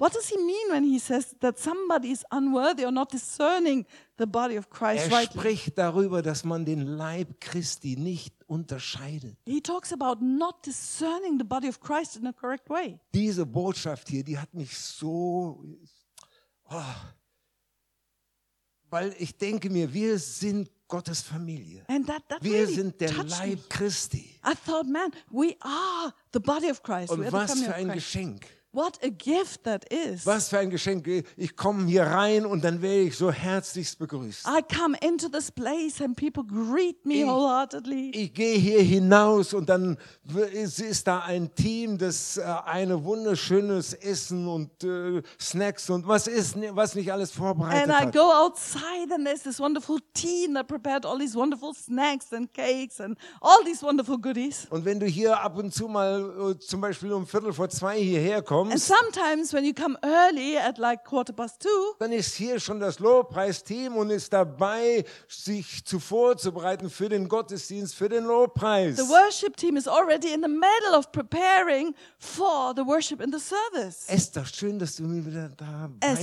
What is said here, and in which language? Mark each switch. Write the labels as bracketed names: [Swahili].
[English] What does he mean when he says that somebody is unworthy or not discerning the body of Christ rightly? [German] Er spricht darüber, dass man den Leib Christi nicht unterscheidet. [English] He talks about not discerning the body of Christ in a correct way. [German] Diese Botschaft hier, die hat mich so Oh. Weil ich denke mir, wir sind Gottes Familie. [English] And that [German] wir [English] really [German] sind der Leib Christi. [English] I thought, man, we are the body of Christ. [German] Und was für ein Geschenk. [English] What a gift that is. [German] Was für ein Geschenk. Ich komme hier rein und dann werde ich so herzlichst begrüßt. [English] I come into this place and people greet me wholeheartedly. [German] Ich gehe hier hinaus und dann ist da ein Team, das eine wunderschönes Essen und Snacks und was nicht alles vorbereitet [English] and [German] hat. [English] And I go outside and there's this wonderful team that prepared all these wonderful snacks and cakes and all these wonderful goodies. [German] Und wenn du hier ab und zu mal zum Beispiel um 2:15 hierher kommst, [English] and sometimes when you come early at like 2:15, [German] dann ist hier schon das Lobpreisteam und ist dabei, sich vorzubereiten für den Gottesdienst, für den Lobpreis. [English] The worship team is already in the middle of preparing for the worship in the service. [German] Esther, schön, dass du mir wieder dabei warst.